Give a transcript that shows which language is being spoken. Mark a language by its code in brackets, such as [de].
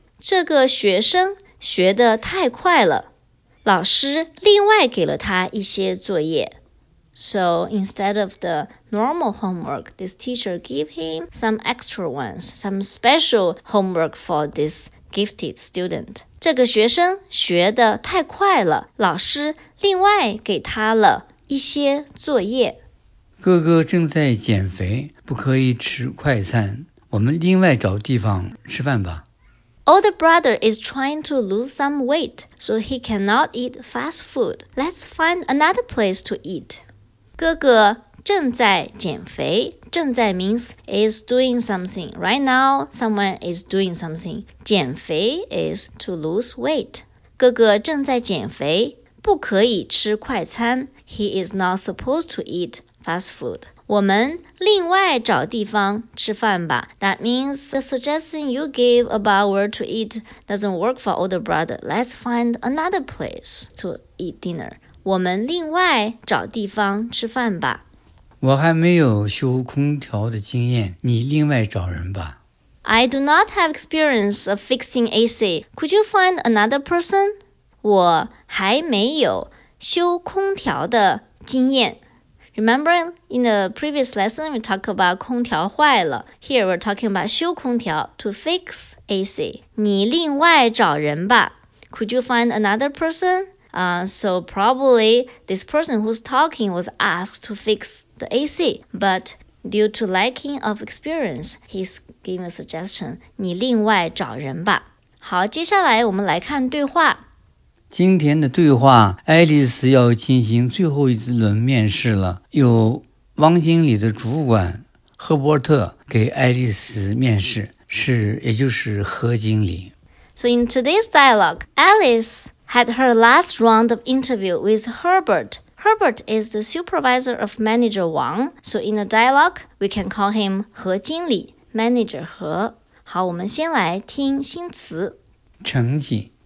[zh] 这个学生学得太快了老师另外给了他一些作业 [en] So instead of the normal homework, this teacher gave him some extra ones, some special homework for this gifted student. [zh] 这个学生学得太快了老师另外给他了一些作业哥哥正在减肥不可以吃快餐我们另外找地方吃饭吧 [en] Older brother is trying to lose some weight so he cannot eat fast food Let's find another place to eat [zh] 哥哥正在减肥正在 [en] means is doing something. Right now, someone is doing something. 减肥 is to lose weight. [zh] 哥哥正在减肥,不可以吃快餐。 [en] He is not supposed to eat fast food. [zh] 我们另外找地方吃饭吧。 [en] That means the suggestion you give about where to eat doesn't work for older brother. Let's find another place to eat dinner. [zh] 我们另外找地方吃饭吧。我还没有修空调的经验，你另外找人吧。 [en] I do not have experience of fixing AC. Could you find another person? [zh] 我还没有修空调的经验。 [en] Remember, in the previous lesson, we talked about [zh] 空调坏了。 [en] Here, we're talking about [zh] 修空调 [en] to fix AC. [zh] 你另外找人吧。 [en] Could you find another person? So probably this person who's talking was asked to fix the AC, but due to lacking of experience, he's giving a suggestion, [zh] 你另外找人吧。好，接下来我们来看对话。今天的对话，爱丽丝要进行最后一轮面试了。有汪经理的主管赫伯特给爱丽丝面试，是，也就是何经理。 [en] So in today's dialogue, Alice... had her last round of interview with Herbert. Herbert is the supervisor of manager Wang, so in a dialogue, we can call him 何经理, manager 何. [zh] 好,我们先来听新词。成绩。